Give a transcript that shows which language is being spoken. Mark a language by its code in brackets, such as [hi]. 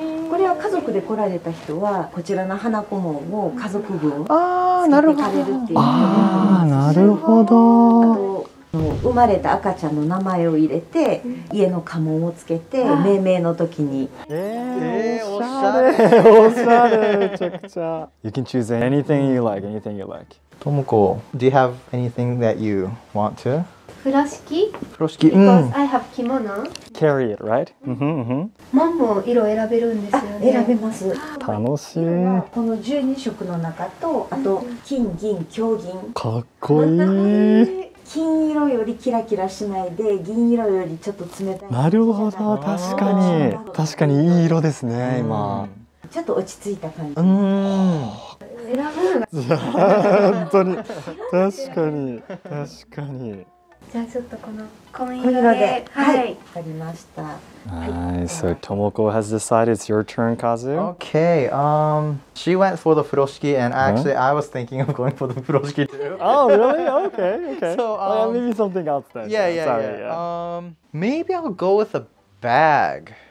[ja] これは家族で来られた人はこちらの花小紋を家族分作ってくれるっていう。ああなるほど。生まれた赤ちゃんの名前を入れて、家の家紋をつけて、命名の時に。おしゃれ、おしゃれ、めちゃくちゃ。 [en] You can choose anything you like, anything you like. Tomoko, do you have anything that you want to? [ja] 風呂敷? 風呂敷? [en] Because I have kimono. Carry it, right? [ja] 紋も色選べるんですよね。選べます。楽しい。この12色の中と、あと金、銀、強銀。かっこいい。金色よりキラキラしないで、銀色よりちょっと冷たい。なるほど、確かに。確かにいい色ですね、今。ちょっと落ち着いた感じ。選ぶのが。本当に。確かに。確かに。じゃあちょっとこの紺色で。はい。わかりました。 [en] So Tomoko has decided it's your turn, Kazu. Okay, she went for the furoshiki and actually I was thinking of going for the furoshiki too. Oh, really? Okay, okay. So, maybe something else then. Maybe I'll go with a bag.